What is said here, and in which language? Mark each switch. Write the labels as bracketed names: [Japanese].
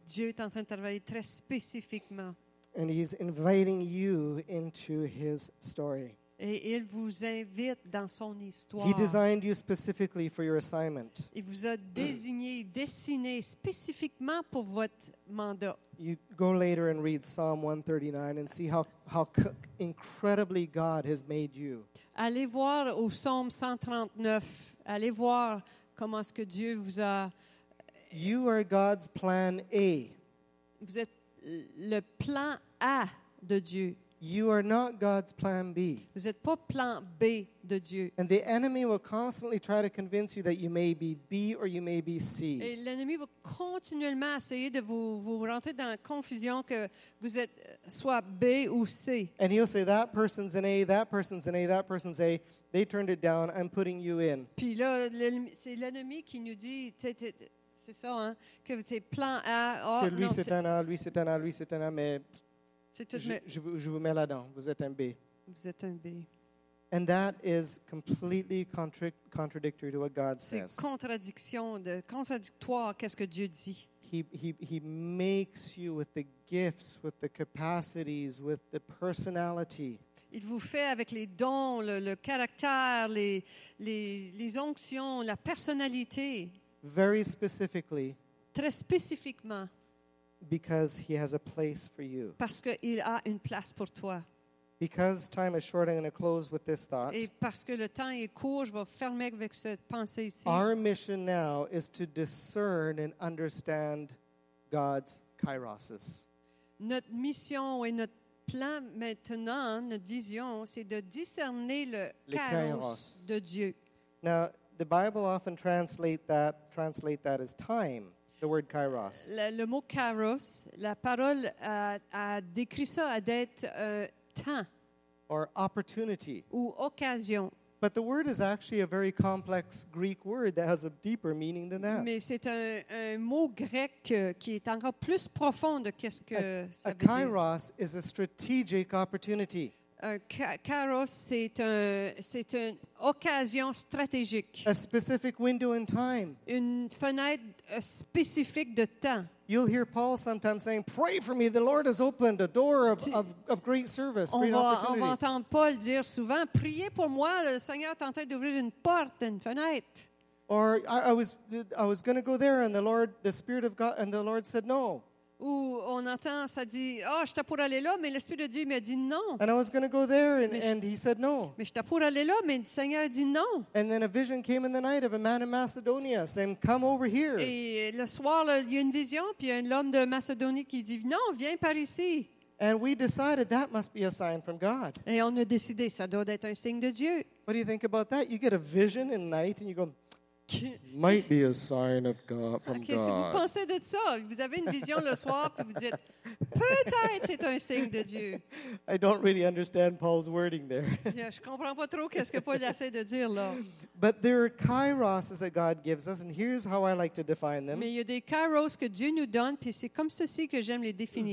[French] Dieu est en train de travailler très spécifiquement. [English] And he's inviting you into his story. [French] Et il vous invite dans son histoire. [English] He designed you specifically for your assignment. [French] Il vous a désigné, dessiné spécifiquement pour votre mandat. [English] You go later and read Psalm 139 and see how incredibly God has made you. [French] Allez voir au Psaume 139. Allez voir comment est-ce que Dieu vous a. [English] You are God's plan A. [French] vous êtes le plan A de Dieu. [English] You are not God's plan B. [French] Vous êtes pas plan B de Dieu. [English] And the enemy will constantly try to convince you that you may be B or you may be C. [French] Et l'ennemi va continuellement essayer de vous rentrer dans la confusion que vous êtes soit B ou C. [English] And he'll say that person's an A, that person's an A, that person's A. They turned it down. I'm putting you in. [French] Puis là, c'est l'ennemi qui nous dit, c'est ça, hein, que c'est plan A. Oh, que lui c'est un A, lui c'est un A, lui c'est un A, mais je vous mets là-dedans. Vous êtes un B. Vous êtes un B. [English] And that is completely contradictory to what God says. [French] C'est contradictoire. Qu'est-ce que Dieu dit? [English] He makes you with the gifts, with the capacities, with the personality. [French] Il vous fait avec les dons, le caractère, les onctions, la personnalité. [English] Very specifically. [French] Très spécifiquement. [English] Because he has a place for you. [French] Parce qu'il a une place pour toi. [English] Because time is short, I'm going to close with this thought. [French] Et parce que le temps est court, je vais fermer avec cette pensée ici. [English] Our mission now is to discern and understand God's kairos. [French] Notre mission et notre plan maintenant, notre vision, c'est de discerner le kairos de Dieu. [English] Now, the Bible often translate that as time. The word kairos. [French] Le mot kairos, la parole a décrit ça à d'être temps. [English] Or opportunity. [French] Ou occasion. [English] But the word is actually a very complex Greek word that has a deeper meaning than that. [French] Mais c'est un mot grec qui est encore plus profond de qu'est-ce que ça veut dire. [English] A kairos is a strategic opportunity. [French] Un kairos, c'est une occasion stratégique. [English] A specific window in time. [French] Une fenêtre spécifique de temps. [English] You'll hear Paul sometimes saying, pray for me, the Lord has opened a door of great service, great opportunity. [French] On va entendre Paul dire souvent, priez pour moi, le Seigneur est en train d'ouvrir une porte, une fenêtre. [English] Or, I was going to go there, and the Lord said no. [French] Où on entend, ça dit, oh, j'étais pour aller là, mais l'Esprit de Dieu m'a dit non. [English] And I was going to go there, and he said no. [French] Mais j'étais pour aller là, mais le Seigneur a dit non. [English] And then a vision came in the night of a man in Macedonia saying, come over here. [French] Et le soir, il y a une vision, puis il y a l'homme de Macédonie qui dit, non, viens par ici. [English] And we decided that must be a sign from God. [French] Et on a décidé, ça doit être un signe de Dieu. [English] What do you think about that? You get a vision in the night, and you go, might be a sign of God from okay, God. [French] Si vous pensez de ça, vous avez une vision le soir puis vous dites peut-être c'est un signe de Dieu. [English] I don't really understand Paul's wording there. [French] Je comprends pas trop qu'est-ce que Paul essaie de dire là. [English] But there are kairos that God gives us, and here's how I like to define them. [French] Mais il y a des kairos que Dieu nous donne, puis c'est comme ceci que j'aime les définir.